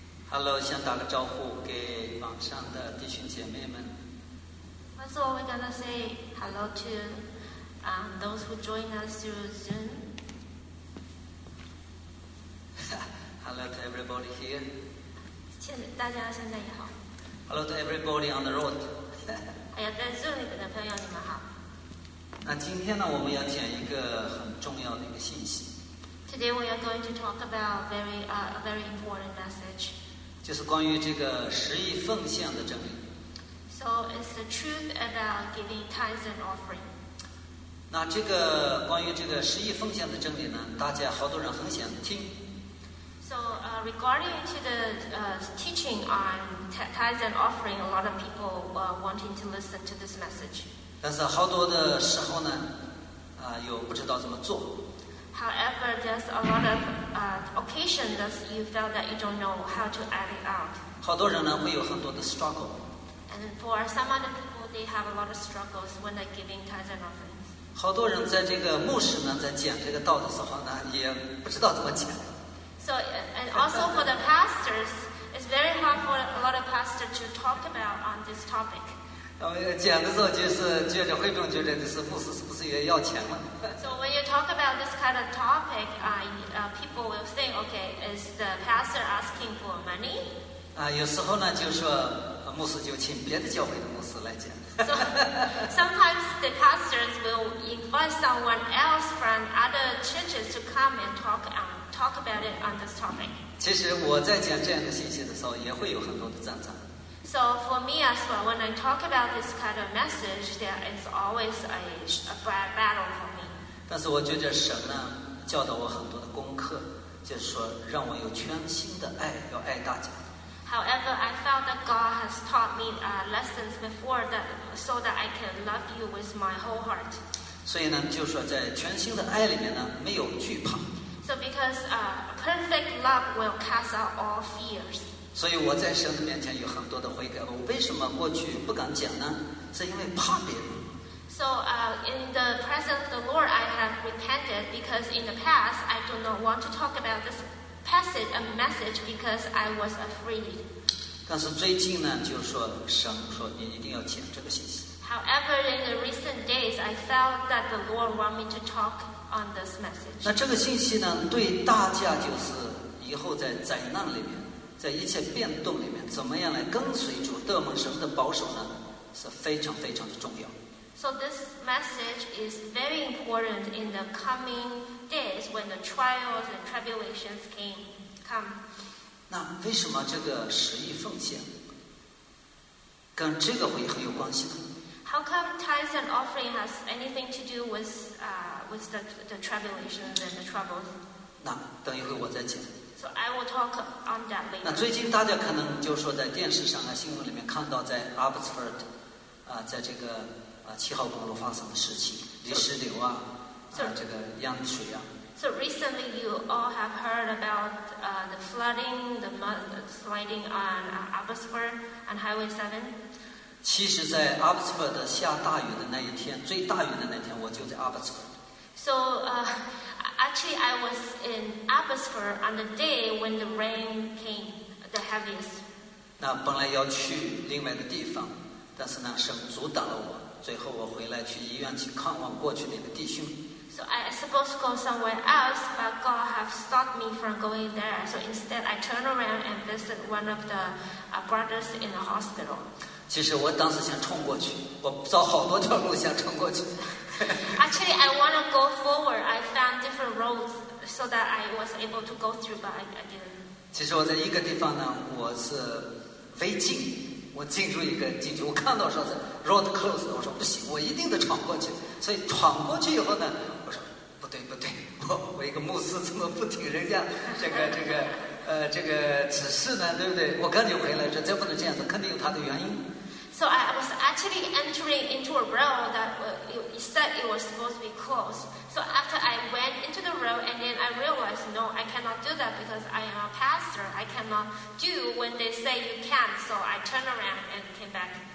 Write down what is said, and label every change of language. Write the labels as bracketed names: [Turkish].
[Chinese] Hello， 先打个招呼给网上的弟兄姐妹们。 [English] First of all, we're gonna say hello to those who join us through Zoom. Hello to everybody here. [Chinese] 大家现在也好。 [English] Hello to everybody on the road. [Chinese] 哎呀，在 Zoom 里面的朋友，你们好。那今天呢，我们要讲一个很重要的一个信息。 [English] Today we are going to talk about a very important message. [Chinese] 就是关于这个十亿奉献的真理。 [English] So it's the truth about giving tithes and offering. [Chinese] 那这个关于这个十亿奉献的真理呢，大家好多人很想听。 [English] So regarding to the teaching on tithes and offering, a lot of people were wanting to listen to this message. [Chinese] 但是好多的时候呢，又不知道怎么做。 [English] However, there's a lot of occasions that you felt that you don't know how to add it out. [Chinese] 好多人呢会有很多的 struggle. [English] And for some other people, they have a lot of struggles when they're giving tithes and offerings. [Chinese] 好多人在这个牧师呢在讲这个道的时候呢，也不知道怎么讲。 [English] So and also for the pastors, it's very hard for a lot of pastors to talk about on this topic. [Chinese] 讲的时候就是会众觉得这是牧师是不是也要钱了。 [English] So when you talk about this kind of topic, people will think, okay, is the pastor asking for money? [Chinese] 有时候呢就说牧师就请别的教会的牧师来讲。 [English] So sometimes the pastors will invite someone else from other churches to come and talk about it on this topic. [Chinese] 其实我在讲这样的信息的时候也会有很多的挣扎。 [English] So for me as well, when I talk about this kind of message, there is always a battle for me. [Chinese] 但是我觉得神呢教导我很多的功课，就是说让我有全心的爱，要爱大家。 [English] However, I felt that God has taught me lessons before that, so that I can love you with my whole heart. [Chinese] 所以呢，就是说在全心的爱里面呢，没有惧怕。 [English] So because perfect love will cast out all fears. [Chinese] 所以我在神的面前有很多的悔改，我为什么过去不敢讲呢？是因为怕别人。 [English] So in the presence of the Lord, I have repented because in the past I do not want to talk about this passage and message because I was afraid. [Chinese] 但是最近呢，就是说神说你一定要讲这个信息。 [English] However, in the recent days, I felt that the Lord want me to talk on this message. [Chinese] 那这个信息呢，对大家就是以后在灾难里面。在一切变动里面，怎么样来跟随主得蒙神的保守呢？是非常非常的重要。 [English] So this message is very important in the coming days when the trials and tribulations come. [Chinese] 那为什么这个十亿奉献跟这个会很有关系呢 [English] ？How come tithes and offering has anything to do with the tribulations and the troubles？ [Chinese] 那等一会我再讲。 [English] So I will talk on that later. [Chinese] 那最近大家可能就说在电视上啊、新闻里面看到，在 Abbotsford， 在这个七号公路发生的事情，泥石流啊，这个淹水啊。 [English] So recently, you all have heard about the flooding, the mudsliding on Abbotsford and Highway 7. [Chinese] 其实，在 Abbotsford 下大雨的那一天，最大雨的那天，我就在 Abbotsford. [English] So. Actually, I was in Abbotsford on the day when the rain came the heaviest. [Chinese] 那本来要去另外的地方，但是呢，神阻挡了我。最后我回来去医院去看望过去的一个弟兄。 [English] So I was supposed to go somewhere else, but God have stopped me from going there. So instead, I turn around and visit one of the brothers in the hospital. [Chinese] 其实我当时想冲过去，我找好多条路想冲过去。 [English] Actually, I want to go forward. I found different roads so that I was able to go through, but I didn't. [Chinese] 其实我在一个地方呢，我是违禁，我进入一个禁区，我看到说是 [English] road closed， [Chinese] 我说不行，我一定得闯过去。所以闯过去以后呢，我说不对不对，我一个牧师怎么不听人家这个指示呢？对不对？我赶紧回来说，再不能这样子，肯定有他的原因。 [English] So I was actually entering into a road that it said it was supposed to be closed. So after I went into the road, and then I realized, no, I cannot do that because I am a pastor. I cannot do when they say you can't. So I turned around and came back.